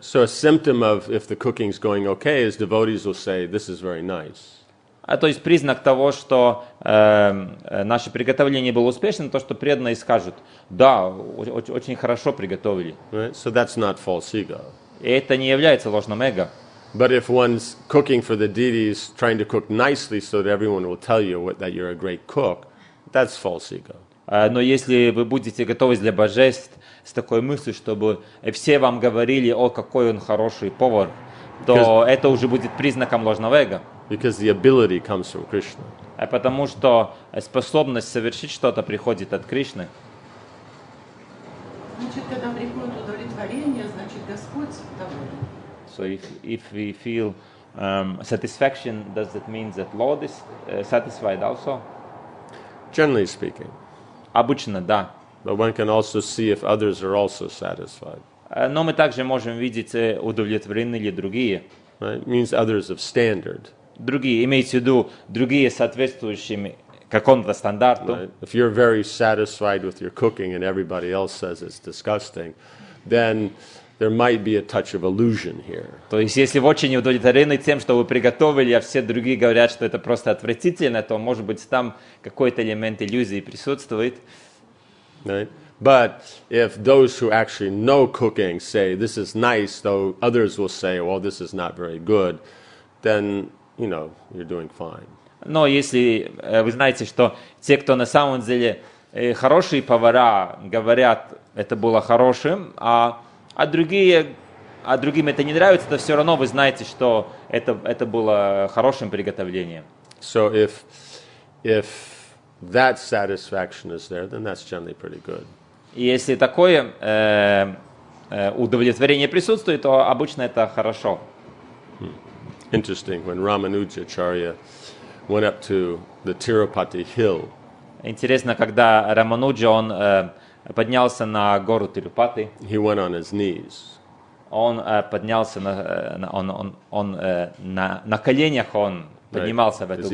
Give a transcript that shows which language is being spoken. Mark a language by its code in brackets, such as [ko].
[en] So a symptom of if the cooking's going okay is devotees will say, this is very nice. [ru] А то есть признак того, что наше приготовление было успешным, то, что преданные скажут, да, очень хорошо приготовили. [en] Right? So that's not false ego. [ru] И это не является ложным эго. [en] But if one's cooking for the deities, trying to cook nicely so that everyone will tell you that you're a great cook, that's false ego. [ru] Но если вы будете готовить для божеств с такой мыслью, чтобы все вам говорили, о, какой он хороший повар, то это уже будет признаком ложного эго. [en] Because the ability comes from Krishna. [ru] А потому что способность совершить что-то приходит от Кришны. Значит, когда приходит удовлетворение, значит, Господь доволен. [en] So if we feel satisfaction, does that mean that Lord is satisfied also? Generally speaking. [ru] Обычно, да. [en] But one can also see if others are also satisfied. [ru] Но мы также можем видеть, удовлетворены ли другие. [en] Right? Means others of standard. [ru] Другие, имеется в виду, другие соответствующие какому-то стандарту. [en] Right. If you're very satisfied with your cooking and everybody else says it's disgusting, then there might be a touch of illusion here. [ru] То есть, если вы очень удовлетворены тем, что вы приготовили, а все другие говорят, что это просто отвратительно, то, может быть, там какой-то элемент иллюзии присутствует. [en] Right. But if those who actually know cooking say, this is nice, though others will say, well, this is not very good, then... You know, you're doing fine. [ru] Но если вы знаете, что те, кто на самом деле хорошие повара, говорят, это было хорошим, а другим это не нравится, то все равно вы знаете, что это было хорошим приготовлением. [en] So if that satisfaction is there, then that's generally pretty good. [ru] И если такое удовлетворение присутствует, то обычно это хорошо. [en] Interesting, when Ramanujacharya went up to the Tirupati hill. [ru] Интересно, когда Рамануджа, он поднялся на гору Тирупати. [en] He went on his knees. [ru] Он поднялся на коленях он поднимался right. в эту гору.